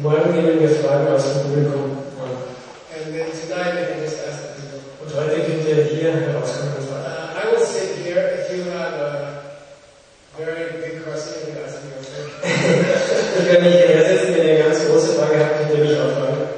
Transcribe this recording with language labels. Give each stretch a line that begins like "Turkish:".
German: Morgen nehmen wir Fragen aus dem Publikum an.
English: And then tonight you can just ask the people.
German: Und heute könnt ihr hier herauskommen und fragen.
English: I will sit here if you have a very big question you can ask me, okay?
German: Ich kann mich hier hersetzen, wenn ihr eine ganz große Frage habt, könnt ihr mich auch fragen.